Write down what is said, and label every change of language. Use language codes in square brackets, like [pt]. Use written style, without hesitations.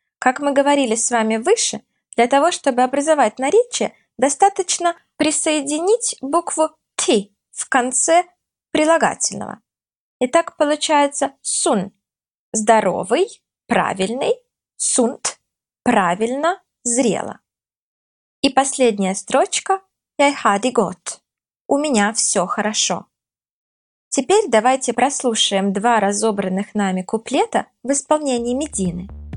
[ru] Как мы говорили с вами выше, для того, чтобы образовать наречие, достаточно присоединить букву «t» в конце прилагательного. Итак, получается «sund» – «здоровый», «правильный», «sund» – «правильно», «зрело». И последняя строчка [da] «jeg har det godt». [ru] У меня все хорошо. Теперь давайте прослушаем два разобранных нами куплета в исполнении Медины.